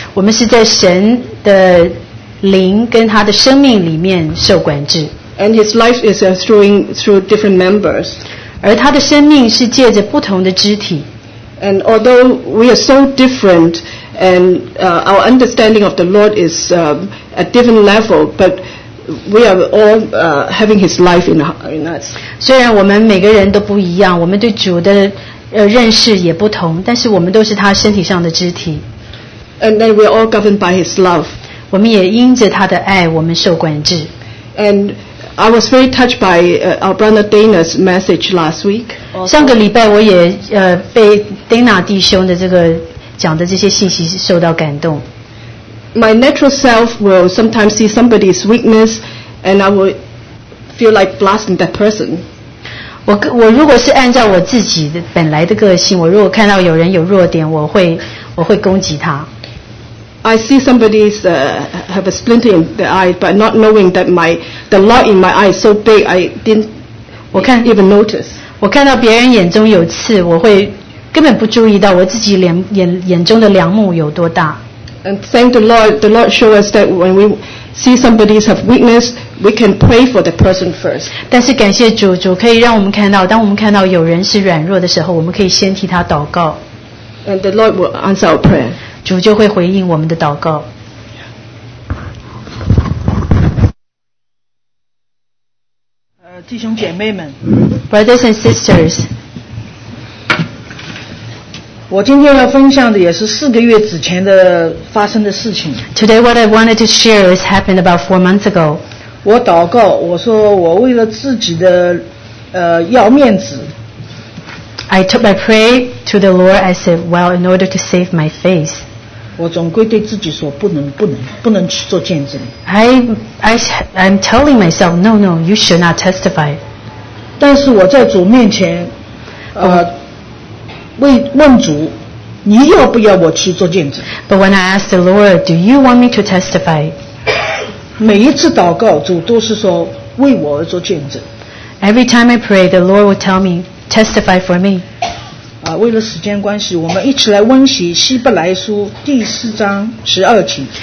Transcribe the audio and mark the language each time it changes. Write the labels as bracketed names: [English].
[Chinese] 我们是在神的灵跟他的生命里面受管制。 [English] And his life is through different members. [Chinese] 而他的生命是借着不同的肢体。 [English] And although we are so different, and our understanding of the Lord is at different level, but we are all having His life in us. [Chinese] 虽然我们每个人都不一样，我们对主的认识也不同，但是我们都是他身体上的肢体。 [English] And then we are all governed by His love. [Chinese] 我们也因着他的爱，我们受管制。 [English] And I was very touched by our brother Dana's message last week. [Chinese] 上个礼拜我也被 Dana 弟兄的这个讲的这些信息受到感动。 [English] My natural self will sometimes see somebody's weakness, and I will feel like blasting that person. [Chinese] 我如果是按照我自己的本来的个性，我如果看到有人有弱点，我会攻击他。 [English] I see somebody's have a splinter in the eye, but not knowing that the light in my eye is so big, I didn't even notice. [Chinese] 我看到别人眼中有刺，我会根本不注意到我自己眼中的梁木有多大。 [English] And thank the Lord show us that when we see somebody's have weakness, we can pray for the person first. [Chinese] 但是感谢主，主可以让我们看到，当我们看到有人是软弱的时候，我们可以先替他祷告。 [English] And the Lord will answer our prayer. [Chinese] 主就会回应我们的祷告。弟兄姐妹们 [English] ，Brothers and sisters。 [Chinese] 我今天要分享的也是四个月之前的发生的事情。 [English] Today, what I wanted to share is happened about 4 months ago. [Chinese] 我祷告，我说我为了自己的要面子。 [English] I took my prayer to the Lord. I said, well, in order to save my face. [Chinese] 我总归对自己说不能去做见证。 [English] I'm telling myself, no, you should not testify. [Chinese] 但是我在主面前，问主，你要不要我去做见证？ [English] But when I asked the Lord, do you want me to testify? [Chinese] 每一次祷告，主都是说为我而做见证。 [English] Every time I pray, the Lord would tell me, testify for me. [Chinese] 为了时间关系，我们一起来温习希伯来书第四章十二节。